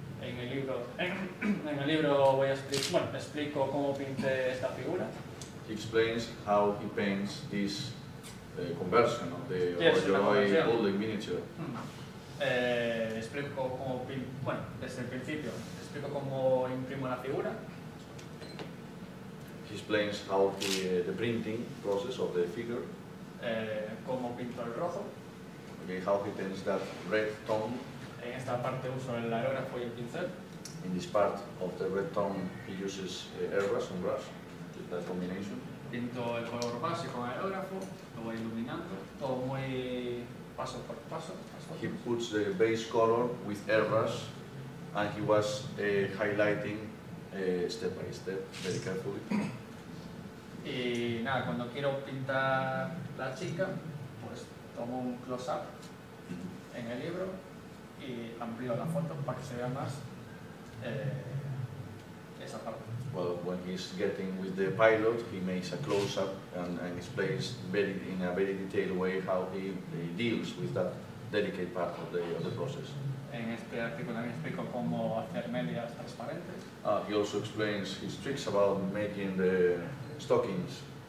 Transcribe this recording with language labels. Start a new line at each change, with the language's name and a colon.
Spanish: En el libro explico cómo pinté esta figura.
English: He explains how he paints this conversion of the Ojoy Golden miniature.
Spanish: Explico cómo desde el principio. Explico cómo imprimo la figura.
English: He explains how the printing process of the figure.
Spanish: Cómo pinto el rojo.
English: Okay, how he paints that red tone.
Spanish: En esta parte uso el aerógrafo y el pincel.
English: In this part of the red tone, he uses airbrush and brush, that combination.
Spanish: Pinto el color base con aerógrafo, lo voy iluminando, todo muy paso por paso.
English: He puts the base color with airbrush, and he was highlighting step by step, very carefully.
Spanish: Y nada, cuando quiero pintar la chica, pues tomo un close-up en el libro y amplio la foto para que se vea más esa parte.
English: Well, when he's getting with the pilot, he makes a close-up and explains very, in a very detailed way how he deals with that delicate part of the process.
Spanish: En este artículo también explico cómo hacer medias transparentes.
English: He also explains his tricks about making the stockings.